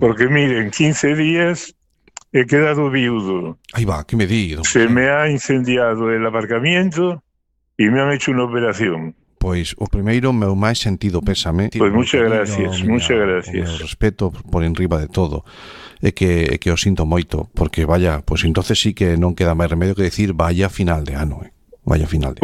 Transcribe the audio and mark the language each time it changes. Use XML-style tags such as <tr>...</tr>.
<es>Porque, miren, 15 días he quedado viudo.</es> <gl>Aí va, que me digo.</gl> <es>Se me ha incendiado el aparcamiento e me han hecho unha operación.</es> <gl>Pois, o primeiro, meu máis sentido pésame.</gl> <es>Pois, muchas gracias, muchas gracias.</es> <gl>O respeto por enriba de todo. É que o sinto moito, porque vaya, pois entonces sí que non queda máis remedio que decir vaya final de ano, Vaya final de ano.</gl>